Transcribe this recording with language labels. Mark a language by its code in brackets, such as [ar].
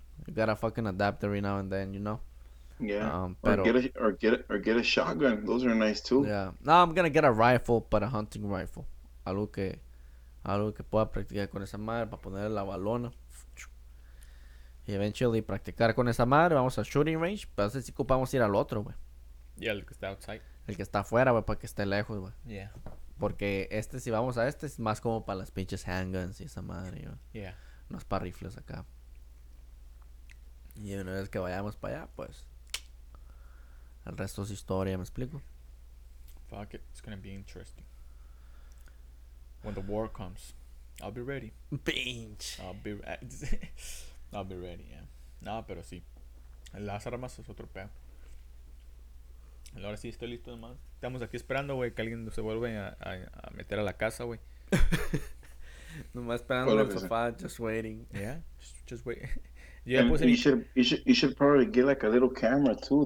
[en] You got a fucking adapter every now and then, you know? Yeah, or get a shotgun. Those are nice too. Yeah, no, I'm gonna get a rifle, but a hunting rifle. [es] Algo que pueda practicar con esa madre para ponerle la balona. Y eventually practicar con esa madre. Vamos al shooting range, pero así ocupamos ir al otro, güey. Yeah, el que está outside. El que está afuera, güey, para que esté lejos, güey. [en] Yeah. [es] Porque este, si vamos a este, es más como para las pinches handguns y esa madre, güey. [en] Yeah. [es] No es para rifles acá. Y una vez que vayamos para allá, pues. El resto es historia, ¿me explico? [en] Fuck it, it's gonna be interesting. When the war comes, I'll be ready. [es] Pinch. [en] I'll be ready, yeah. [es] No, pero sí. Las armas es otro peo. Ahora sí estoy listo nomás. Estamos aquí esperando, güey, que alguien se vuelva a meter a la casa, güey. Nomás esperando en el sofá, [en] just waiting. Yeah, just wait. Yeah, and you should probably get like a little camera too.